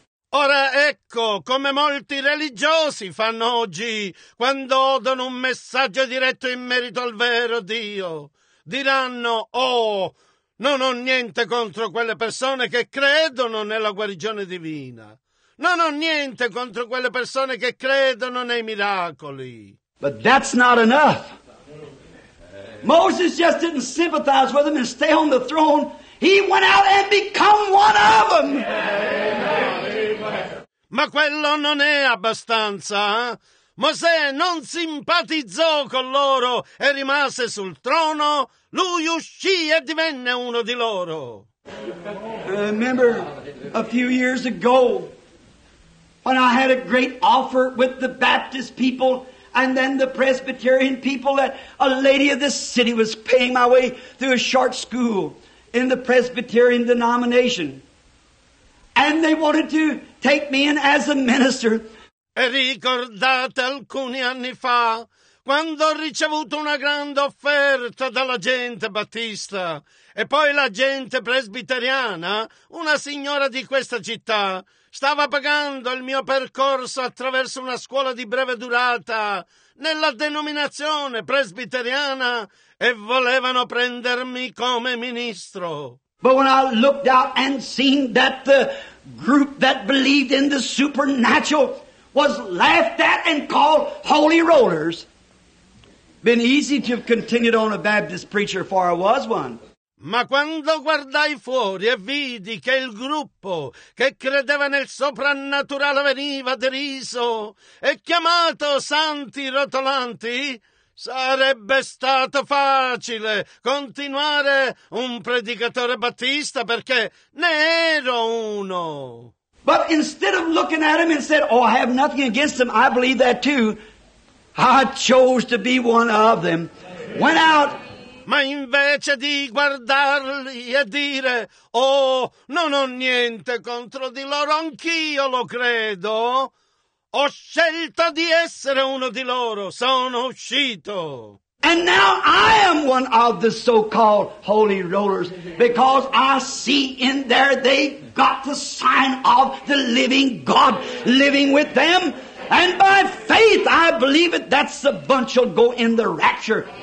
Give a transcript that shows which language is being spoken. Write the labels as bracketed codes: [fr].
[it] Ora ecco come molti religiosi fanno oggi quando odono un messaggio diretto in merito al vero Dio. Diranno, oh, non ho niente contro quelle persone che credono nella guarigione divina. Non ho niente contro quelle persone che credono nei miracoli. [en] But that's not enough. Moses just didn't sympathize with them and stay on the throne. He went out and became one of them. [it] Ma quello non è abbastanza. Mosè non simpatizzò con loro e rimase sul trono. Lui uscì e divenne uno di loro. [en] Remember a few years ago when I had a great offer with the Baptist people and then the Presbyterian people, that a lady of this city was paying my way through a short school in the Presbyterian denomination. And they wanted to take me in as a minister. [it] E ricordate alcuni anni fa, quando ho ricevuto una grande offerta dalla gente battista, e poi la gente presbiteriana, una signora di questa città, stava pagando il mio percorso attraverso una scuola di breve durata nella denominazione presbiteriana e volevano prendermi come ministro. [en] But when I looked out and seen that the group that believed in the supernatural was laughed at and called holy rollers, been easy to have continued on a Baptist preacher for I was one. [it] Ma quando guardai fuori e vidi che il gruppo che credeva nel soprannaturale veniva deriso e chiamato santi rotolanti, sarebbe stato facile continuare un predicatore battista perché ne ero uno. [en] But instead of looking at him and said, oh, I have nothing against him, I believe that too, I chose to be one of them, went out. [it] Ma invece di guardarli e dire, oh, non ho niente contro di loro, anch'io lo credo, ho scelto di essere uno di loro, sono uscito. [en] And now I am one of the so-called holy rollers, because I see in there they got the sign of the living God living with them. And by faith I believe it, that's the bunch will go in the rapture.